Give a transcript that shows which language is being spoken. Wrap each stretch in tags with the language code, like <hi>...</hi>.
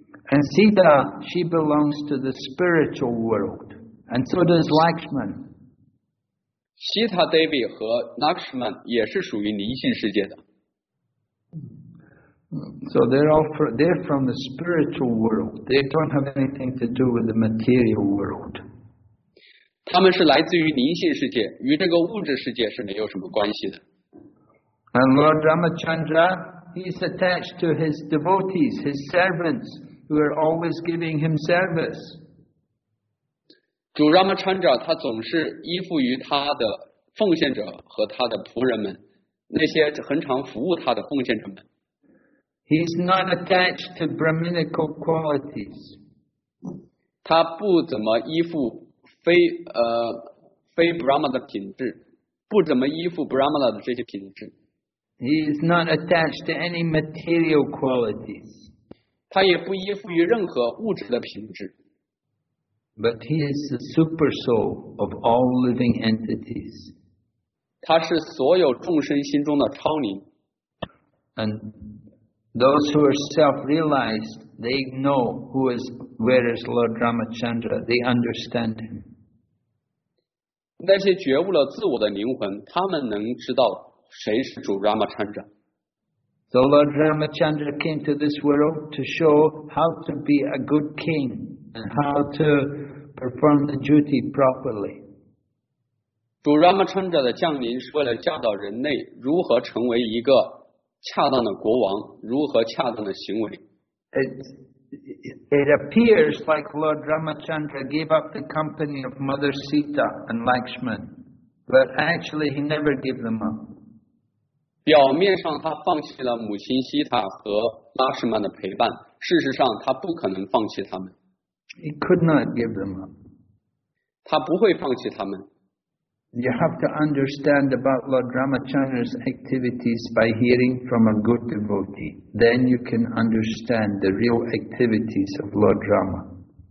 <en>And Sita, she belongs to the spiritual world, and so does Lakshman.</en> <zh>Sita Devi 和 Lakshman 也是属于灵性世界的。</zh> <en>So they're from the spiritual world. They don't have anything to do with the material world.</en> <zh>他们是来自于灵性世界，与这个物质世界是没有什么关系的。</zh> <en>And Lord Ramachandra, he's attached to his devotees, his servants, who are always giving him service.</en> <zh>主 Ramachandra 他总是依附于他的奉献者和他的仆人们，那些很常服务他的奉献者们。</zh> <en>He's not attached to brahminical qualities.</en> <zh>他不怎么依附非 Brahma 的品质，不怎么依附 Brahma 的这些品质。</zh> <en>He's not attached to any material qualities.</en> <zh>他也不依附于任何物质的品质。</zh> <en>But he is the super soul of all living entities.</en> <zh>他是所有众生心中的超灵。</zh> <en>And those who are self-realized, they know where is Lord Ramachandra. They understand him.</en> <zh>那些觉悟了自我的灵魂，他们能知道谁是主 Ramachandra。</zh> <en>So Lord Ramachandra came to this world to show how to be a good king and how to. Perform the duty properly.</en> <zh>主 Ramachandra 的降临是为了教导人类如何成为一个恰当的国王，如何恰当的行为。</zh> <en>It appears like Lord Ramachandra gave up the company of Mother Sita and Lakshman, but actually he never gave them up.</en> <zh>表面上他放弃了母亲西塔和拉什曼的陪伴，事实上他不可能放弃他们。</zh> <en>He could not give them up.</en> <zh>他不会放弃他们。</zh> <en>You have to understand about Lord Ramachandra's activities by hearing from a good devotee. Then you can understand the real activities of Lord Rama.</en>